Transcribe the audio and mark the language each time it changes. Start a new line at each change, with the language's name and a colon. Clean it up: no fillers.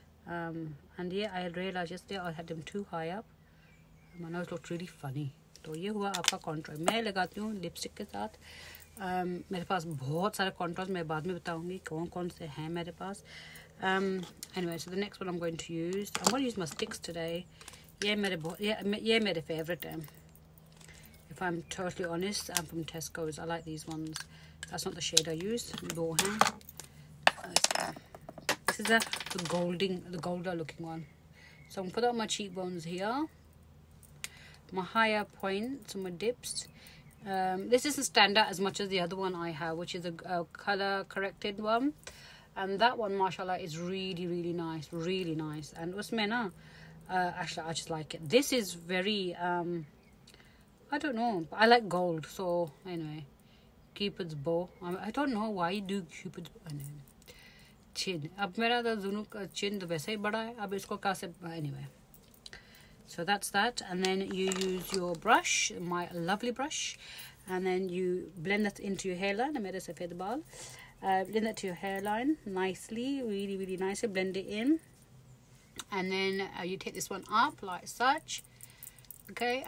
English: and yeah I realize yesterday I had them too high up my nose looked really funny
Hindi: तो ये हुआ आपका कॉन्ट्रास्ट मैं लगाती हूँ लिपस्टिक के साथ मेरे पास बहुत सारे कॉन्ट्रास्ट मैं बाद में बताऊँगी कौन कौन से हैं मेरे पास
English: anyway so the next one I am going to use I am going to use my sticks today
Hindi: ये मेरे फेवरेट हैं
English: If I am totally honest I am from Tesco's I like these ones That's not the shade I use. Beforehand. This is the golder looking one. So I'm gonna put that on my cheekbones here. My higher points, my dips. This isn't standard as much as the other one I have, which is a color corrected one. And that one, mashallah, is really, really nice. Really nice. And what's mena? Actually, I just like it. This is very. I don't know. But I like gold. So anyway. Cupid's bow. I don't know why you do Cupid's chin.
Hindi: अब मेरा तो दोनों का chin तो वैसे ही बड़ा है. अब इसको कैसे
English: anyway. So that's that. And then you use your brush, my lovely brush, and then you blend that into your hairline.
Hindi: मेरे सफेद बाल.
English: Blend that to your hairline nicely, really, really nicely. Blend it in. And then you take this one up like such. Okay.